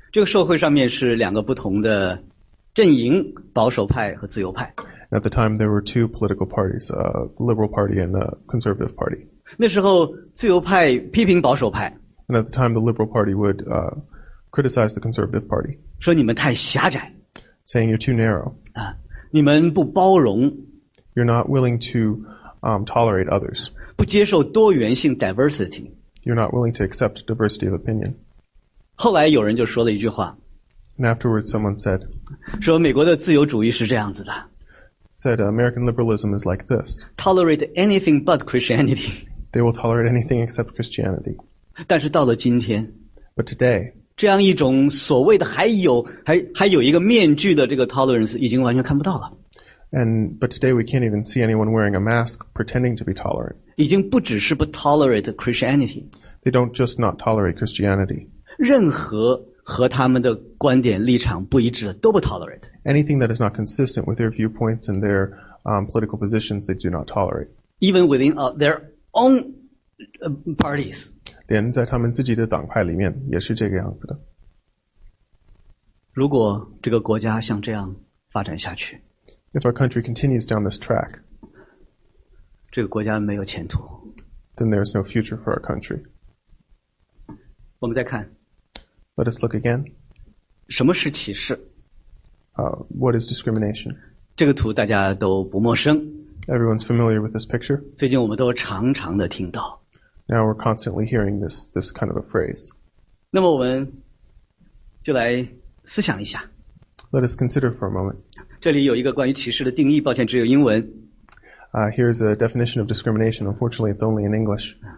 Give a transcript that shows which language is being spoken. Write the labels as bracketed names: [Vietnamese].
[Chinese] 这个社会上面是两个不同的阵营，保守派和自由派。 [English] At the time, there were two political parties, a liberal party and a conservative party. [Chinese] 那时候自由派批评保守派。 [English] And at the time, the liberal party would criticize the conservative party. [Chinese] 说你们太狭窄。 [English] Saying you're too narrow. [Chinese] 你们不包容。 [English] You're not willing to tolerate others. [Chinese] 不接受多元性 diversity. [English] You're not willing to accept diversity of opinion. [Chinese] 后来有人就说了一句话。 [English] And afterwards someone said, [Chinese] 说美国的自由主义是这样子的。 [English] Said American liberalism is like this. Tolerate anything but Christianity. They will tolerate anything except Christianity. [Chinese] 但是到了今天。 [English] But today, [Chinese] 这样一种所谓的还有一个面具的这个 tolerance 已经完全看不到了。 [English] But today we can't even see anyone wearing a mask pretending to be tolerant. [Chinese] 已经不只是不 [English] tolerate Christianity. They don't just not tolerate Christianity. [Chinese] 任何和他们的观点立场不一致的都不 tolerate. [English] Anything that is not consistent with their viewpoints and their political positions, they do not tolerate. Even within their own parties. [Chinese] 连在他们自己的党派里面也是这个样子的。如果这个国家像这样发展下去， [English] If our country continues down this track, [Chinese] 这个国家没有前途。 [English] Then there is no future for our country. [Chinese] 我们再看。 [English] Let us look again. [Chinese] 什么是歧视？ [English] What is discrimination? [Chinese] 这个图大家都不陌生。 [English] Everyone's familiar with this picture. [Chinese] 最近我们都常常的听到。 [English] Now we're constantly hearing this kind of a phrase. [Chinese] 那么我们就来思想一下。 [English] Let us consider for a moment. [Chinese] 这里有一个关于歧视的定义，抱歉，只有英文。 [English] Here's a definition of discrimination. Unfortunately, it's only in English.